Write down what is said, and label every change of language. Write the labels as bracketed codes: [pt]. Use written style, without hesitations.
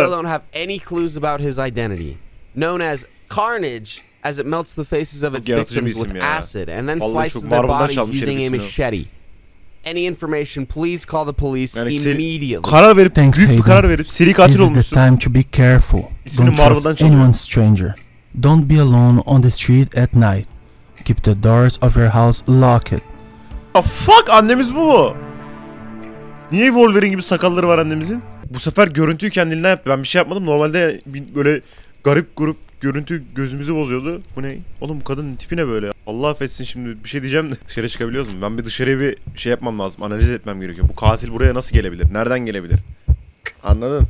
[en] The police don't have any clues about his identity. Known as Carnage, as it melts the faces of its victims with acid and then slices their bodies using a machete. Any information, please call the police yani immediately. [tr] Karar verip, [en] thanks, [tr] büyük bir karar verip seri katil olmuşsun. [en] This is the time to be careful. Don't trust anyone stranger. Don't be alone on the street at night. Keep the doors of your house locked. A fuck, [tr] annemiz bu mu? Niye Wolverine gibi sakalları var annemizin? Bu sefer görüntüyü kendiliğinden yaptı. Ben bir şey yapmadım. Normalde böyle garip grup görüntü gözümüzü bozuyordu. Bu ne? Oğlum bu kadının tipi ne böyle? Allah affetsin, şimdi bir şey diyeceğim de dışarı çıkabiliyoruz mu? Ben bir dışarıya bir şey yapmam lazım. Analiz etmem gerekiyor. Bu katil buraya nasıl gelebilir? Nereden gelebilir? Anladın?